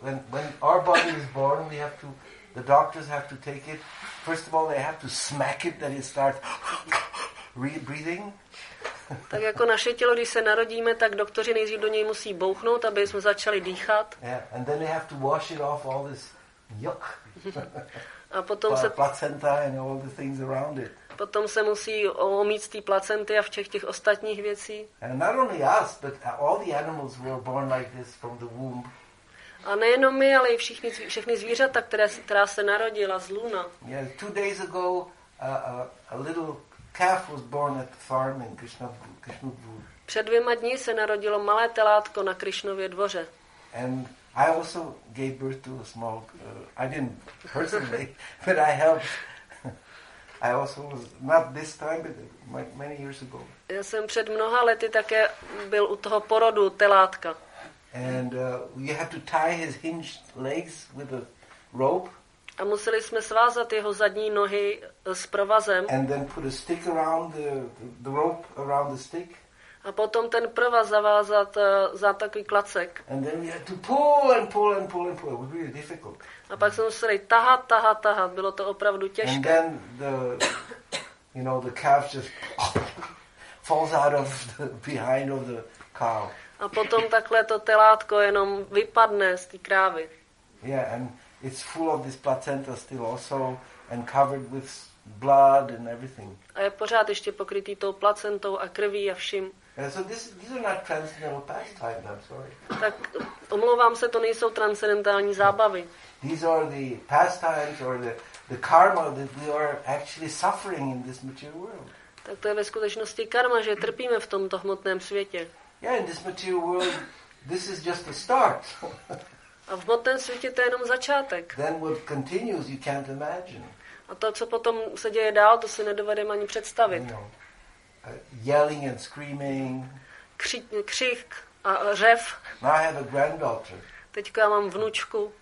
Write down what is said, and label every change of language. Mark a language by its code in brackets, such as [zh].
[en] When our body is born, we have to, the doctors have to take it. First of all, they have to smack it that it starts breathing. [cs] Tak jako naše tělo, když se narodíme, tak doktoři nejdřív do něj musí bouchnout, aby jsme začali dýchat. [en] Yeah, and then they have to wash it off all this yuck. [cs] A potom se [en] placenta and all the things around it. [cs] Potom se musí omít z té placenty a všech těch ostatních věcí. [en] And not only us, but all the animals were born like this from the womb. [cs] A nejenom my, ale i všechny zvířata, která se narodila z lůna. [en] Yeah, 2 days ago, a little calf was born at the farm in Krishnapur. [cs] Před 2 dny se narodilo malé telátko na Krishnově dvoře. [en] And I also gave birth to a small. I didn't personally, but I helped. I also was not this time, but many years ago. [cs] Já jsem před mnoha lety také byl u toho porodu telátka. [en] And we had to tie his hinged legs with a rope. [cs] A museli jsme svázat jeho zadní nohy s provazem. [en] And then put a stick around the rope around the stick. [cs] A potom ten provaz zavázat za takový klacek. [en] And then we had to pull and pull and pull and pull. It was really difficult. [cs] A pak jsme museli tahat. Bylo to opravdu těžké. [en] And then the calf just falls out of the behind of the cow. [cs] A potom takhle to telátko jenom vypadne z té krávy. [en] Yeah, and it's full of this placenta still also and covered with blood and everything. [cs] A je pořád ještě pokrytý tou placentou a krví a vším. [en] And so these are not transcendental pastimes, I'm sorry. [cs] Tak omlouvám se, to nejsou transcendentální zábavy. [en] These are the pastimes or the karma that we are actually suffering in this material world. [cs] Tak to je ve skutečnosti karma, že trpíme v tomto hmotném světě. [en] Yeah, in this material world, this is just the start. [cs] A v hmotném světě to je jenom začátek. [en] Then what continues, you can't imagine. [cs] A to, co potom se děje dál, to si nedovedeme ani představit. [en] You know, yelling and screaming. [cs] Křik a řev. [en] Now I have a granddaughter. [cs] Teďka já mám vnučku.